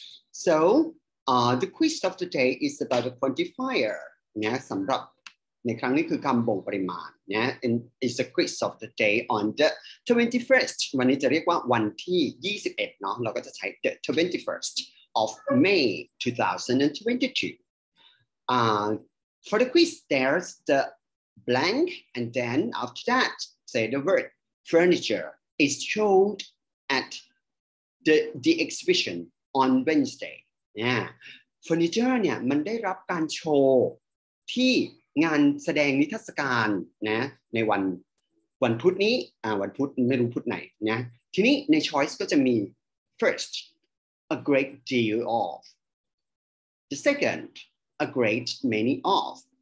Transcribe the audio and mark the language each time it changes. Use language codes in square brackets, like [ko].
[en] So, the quiz of the day is about a quantifier. Yeah, [th] สำหรับในครั้งนี้คือคำบ่งปริมาณ [en] Yeah, and it's a quiz of the day on the 21st. [th] วันนี้จะเรียกว่าวันที่21เนาะเราก็จะใช้ [en] the 21st of May 2022. For the quiz, there's the blank, and then after that, say the word furniture is showed at. The exhibition on Wednesday. Yeah. [th] Furniture เนี่ยมันได้รับการโชว์ที่งานแสดงนิทรรศการนะในวันพุธนี้วันพุธไม่รู้พุธไหนนะทีนี้ใน choice ก็จะมี [en] first a great deal of the second a great many of